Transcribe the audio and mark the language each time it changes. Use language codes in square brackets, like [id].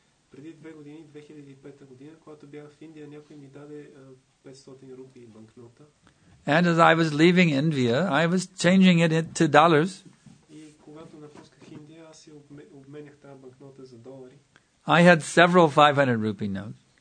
[bg] Преди 2 години, 2005 година, когато бях в Индия, някой ми даде 500 рупии банкнота. [en] And as I was leaving India, I was changing it into dollars. [bg] И когато напусках Индия, аз си обменях тази банкнота за долари. [en] I had several 500 rupee notes.